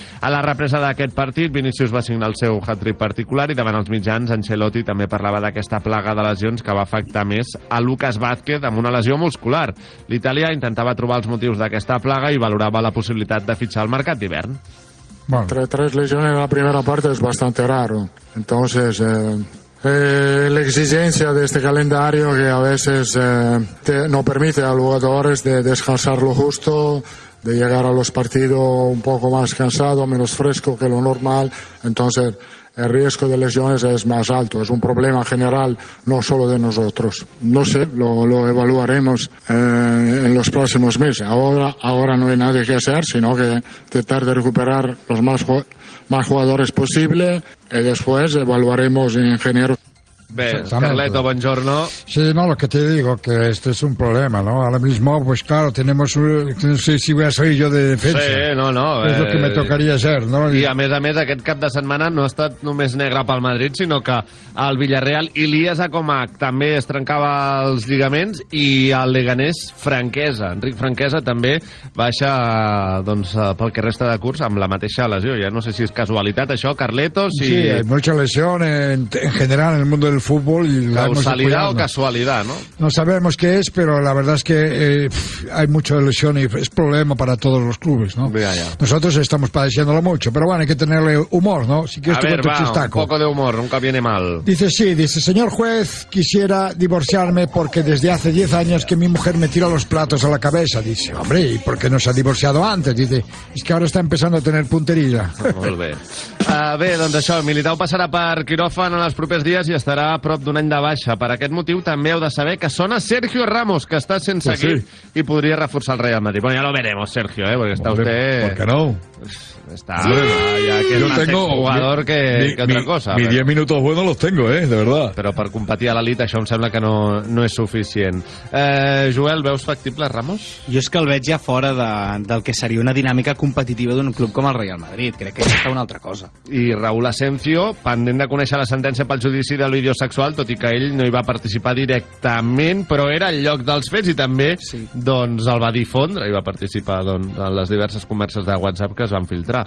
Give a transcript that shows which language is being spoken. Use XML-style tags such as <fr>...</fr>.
<ca>A la represa d'aquest partit, Vinícius va signar el seu hat-trick particular i davant els mitjans, Ancelotti també parlava d'aquesta plaga de lesions que va afectar més a Lucas Vázquez amb una lesió muscular. L'Itàlia intentava trobar els motius d'aquesta plaga i valorava la possibilitat de fitxar al mercat d'hivern.</ca> <es>Bueno. Tres lesiones en la primera parte es bastante raro. Entonces, la exigencia de este calendario que a veces no permite a jugadores de descansar lo justo, de llegar a los partidos un poco más cansado, menos fresco que lo normal, entonces el riesgo de lesiones es más alto. Es un problema general, no solo de nosotros. No sé, lo evaluaremos en los próximos meses. Ahora no hay nada que hacer, sino que tratar de recuperar los más jugadores posible y después evaluaremos en general.</es> <ca>Bé, Carleto, buongiorno.</ca> <es>Sí, no, lo que te digo, que este es un problema, ¿no? Ahora mismo, pues claro, tenemos un... No sé si voy a ser yo de defensa. Sí, no. Es lo que me tocaría ser, ¿no?</es> <ca>I a més, aquest cap de setmana no ha estat només negre pel Madrid, sinó que el Villarreal i l'Ias Acomac també es trencava els lligaments i el Leganés Franquesa. Enric Franquesa també baixa, doncs, pel que resta de curs amb la mateixa lesió. Ja no sé si és casualitat això, Carleto, si...</ca> <es>Sí, hay mucha lesión en general en el mundo del fútbol y la causalidad o casualidad, ¿no? No sabemos qué es, pero la verdad es que hay mucha lesión y es problema para todos los clubes, ¿no? Ya. Nosotros estamos padeciéndolo mucho, pero bueno, hay que tenerle humor, ¿no? Si quieres a ver, va, chistaco. Un poco de humor, nunca viene mal. Dice, sí, dice, señor juez, quisiera divorciarme porque desde hace 10 años que mi mujer me tira los platos a la cabeza. Dice, hombre, ¿y por qué no se ha divorciado antes? Dice, es que ahora está empezando a tener punterilla.</es> <ca>Bé, doncs això, Militao passarà per quiròfan en els propers dies i estarà a prop d'un any de baixa. Per aquest motiu també heu de saber que sona Sergio Ramos, que està sense equip i podria reforçar el Real Madrid.</ca> <es>Bueno, ya lo veremos, Sergio, porque está usted... ¿Por qué no? Está, ya que no es un jugador que otra cosa. Mi 10 minutos buenos los tengo, de verdad.</es> <ca>Però per competir a l'elit això em sembla que no és suficient. Joel, veus factible Ramos? Jo és que el veig ja fora del que seria una dinàmica competitiva d'un club com el Real Madrid. Crec que és una altra cosa. I Raúl Asensio, pendent de conèixer la sentència pel judici del vídeo sexual, tot i que ell no hi va participar directament, però era el lloc dels fets i també doncs, el va difondre i va participar en les diverses converses de WhatsApp que es van filtrar.</ca>